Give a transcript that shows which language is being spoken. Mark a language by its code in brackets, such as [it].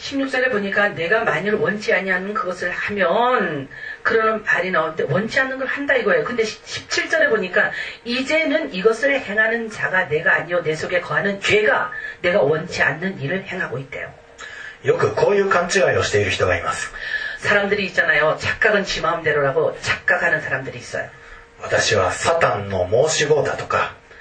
[ko] 16절에보니까내가만일원치아니하는그것을하면그런말이나오는데원치않는걸한다이거예요근데17절에보니까이제는이것을행하는자가내가아니요내속에거하는죄가내가원치않는일을행하고있대요 [ja] よくこういう勘違いをしている人がいます [ko] 사람들이있잖아요착각은지마음대로라고착각하는사람들이있어요 [ja] 私はサタンの申し子だとか